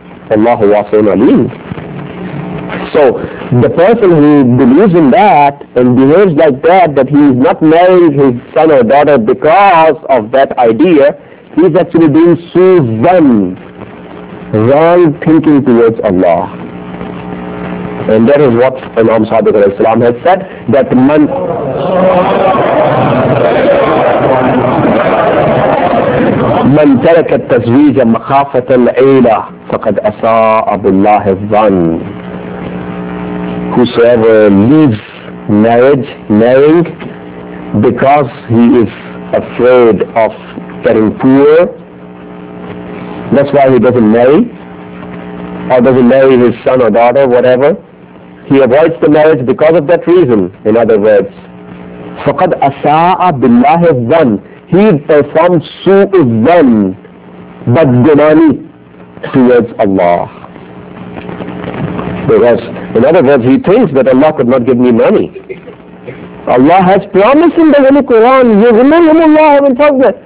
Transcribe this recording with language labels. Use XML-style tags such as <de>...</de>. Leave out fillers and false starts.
<ar>Wallahu wasi'un alim.</ar> <en>So, the person who believes in that and behaves like that, that he is not marrying his son or daughter because of that idea, he is actually doing suzan, wrong thinking towards Allah. And that is what Imam Sadiq alayhi salam has said, that man...</en> <ar>من ترك التزويج مخافة العيلة فقد أساء بالله الظن.</ar> <en>Whosoever leaves marrying because he is afraid of getting poor, that's why he doesn't marry, or doesn't marry his son or daughter, whatever. He avoids the marriage because of that reason. In other words,</en> <ar>فَقَدْ أَسَاءَ بِاللَّهِ الظَّنِ.</ar> <en>He performed su'udhan, but gunani, towards Allah. Because, in other words, he thinks that Allah could not give me money. Allah has promised in the Holy Quran,</en> <ar>يُغْنِهِمُ اللَّهُ مِنْ فَضْلِهِ.</ar>